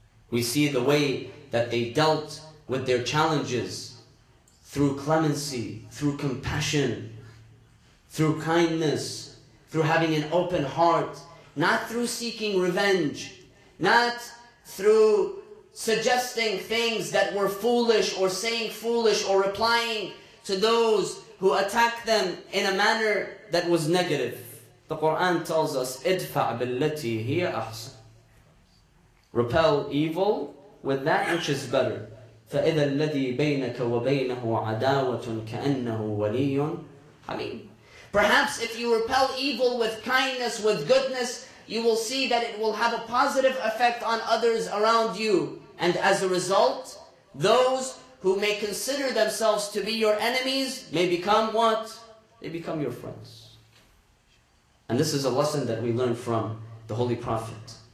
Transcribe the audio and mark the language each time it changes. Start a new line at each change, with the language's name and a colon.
English: We see the way that they dealt with their challenges, through clemency, through compassion, through kindness, through having an open heart, not through seeking revenge, not through suggesting things that were foolish or saying foolish or replying to those who attacked them in a manner that was negative. The Quran tells us,
Arabic: "Idfa billati hiya ahsan."
English: Repel evil with that which is better.
Arabic: فإذا الذي بينك وبينه عداوة كأنه ولي حميم.
English: Perhaps if you repel evil with kindness, with goodness, you will see that it will have a positive effect on others around you. And as a result, those who may consider themselves to be your enemies may become what? They become your friends. And this is a lesson that we learn from the Holy Prophet.